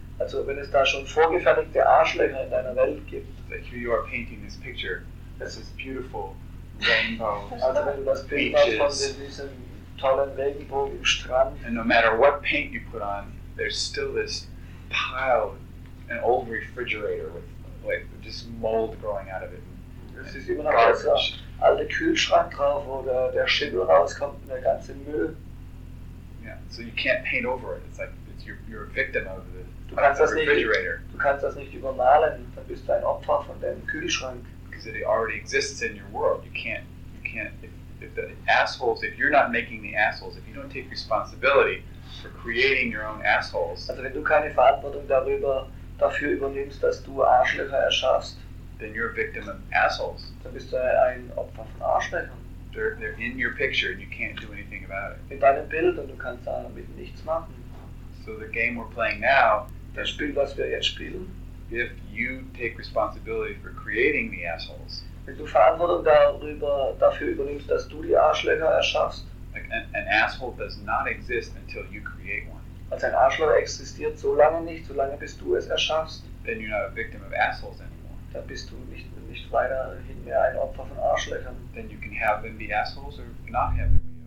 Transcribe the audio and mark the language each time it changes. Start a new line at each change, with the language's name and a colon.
German: Also wenn es da schon vorgefertigte Arschlöcher in deiner Welt gibt.
English: Like here you are painting this picture. This is beautiful. Rainbow.
German: Also wenn du das Bild machst von diesem tollen Regenbogen im Strand.
English: And no matter what paint you put on, there's still this pile, an old refrigerator with like just mold growing out of it.
German: Das ist immer noch dieser alte Kühlschrank drauf, wo der Schimmel rauskommt und der ganze Müll.
English: Yeah, so you can't paint over it. It's like you're a victim of it.
German: Du kannst, das nicht, du kannst das nicht übermalen, dann bist du ein Opfer von deinem Kühlschrank.
English: Because it already exists in your world. You can't, if the assholes, if you're not making the assholes, if you don't take responsibility for creating your own assholes.
German: Also wenn du keine Verantwortung dafür übernimmst, dass du Arschlöcher erschaffst.
English: Then you're a victim of assholes.
German: Dann bist du ein Opfer von Arschlöchern.
English: They're in your picture and you can't do anything about it.
German: In deinem Bild und du kannst damit nichts machen.
English: So the game we're playing now,
German: das Spiel, was wir jetzt spielen,
English: if you take responsibility for creating the assholes,
German: wenn du Verantwortung dafür übernimmst, dass du die Arschlöcher erschaffst,
English: an asshole does not exist until you create one.
German: Also ein Arschloch existiert so lange nicht, solange bis du es erschaffst.
English: Then you're not a victim of assholes anymore.
German: Dann bist du nicht weiterhin mehr ein Opfer von Arschlöchern.
English: Then you can have them be assholes or not have them.